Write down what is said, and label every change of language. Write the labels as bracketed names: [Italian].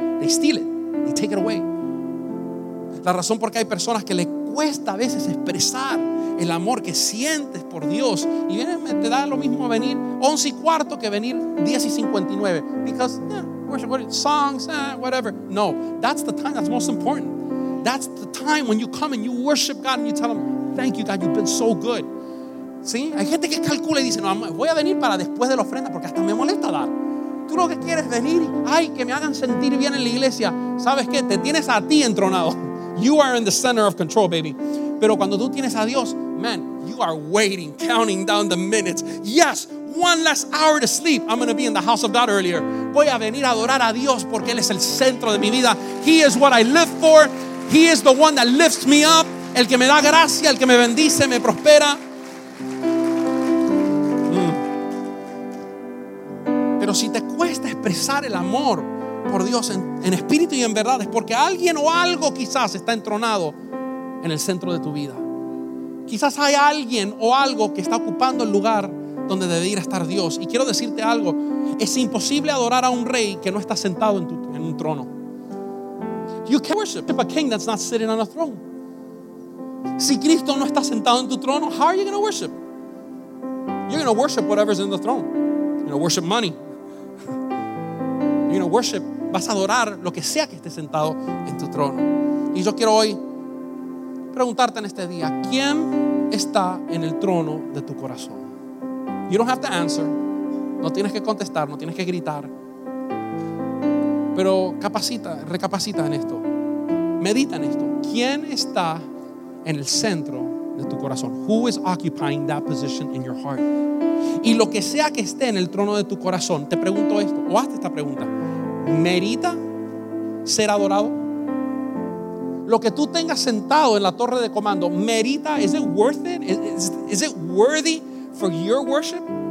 [English] They steal it, they take it away. [Spanish] La razón por qué hay personas que les cuesta a veces expresar el amor que sientes por Dios, y viene, te da lo mismo venir 11 y cuarto que venir 10 y 59, [English] because worship, songs, whatever. No, that's the time that's most important. That's the time when you come and you worship God and you tell Him, thank you God, you've been so good. [Spanish] ¿Sí? Hay gente que calcula y dice, no, voy a venir para después de la ofrenda porque hasta me molesta dar. Tú lo que quieres es venir, ay, que me hagan sentir bien en la iglesia. ¿Sabes qué? Te tienes a ti entronado. [English] You are in the center of control, baby. [Spanish] Pero cuando tú tienes a Dios, [English] man, you are waiting, counting down the minutes. Yes, one last hour to sleep, I'm going to be in the house of God earlier. [Spanish] Voy a venir a adorar a Dios porque Él es el centro de mi vida. [English] He is what I live for. He is the one that lifts me up. [Spanish] El que me da gracia, el que me bendice, me prospera. Pero si te cuesta expresar el amor por Dios en espíritu y en verdad, es porque alguien o algo quizás está entronado en el centro de tu vida. Quizás hay alguien o algo que está ocupando el lugar donde debería estar Dios. Y quiero decirte algo: es imposible adorar a un rey que no está sentado en un trono. [English] You can't worship a king that's not sitting on a throne. [Spanish] Si Cristo no está sentado en tu trono, [English] how are you going to worship? You're going to worship whatever's in the throne. You're going to worship money. You're going to worship. [Spanish] Vas a adorar lo que sea que esté sentado en tu trono. Y yo quiero hoy preguntarte en este día, ¿quién está en el trono de tu corazón? [English] You don't have to answer. [Spanish] No tienes que contestar, no tienes que gritar. Pero capacita, recapacita en esto. Medita en esto. ¿Quién está en el centro de tu corazón? [English] Who is occupying that position in your heart? [Spanish] Y lo que sea que esté en el trono de tu corazón, te pregunto esto, o hazte esta pregunta: ¿merita ser adorado? Lo que tú tengas sentado en la torre de comando, ¿merita? [English] Is it worth it? Is it worthy for your worship?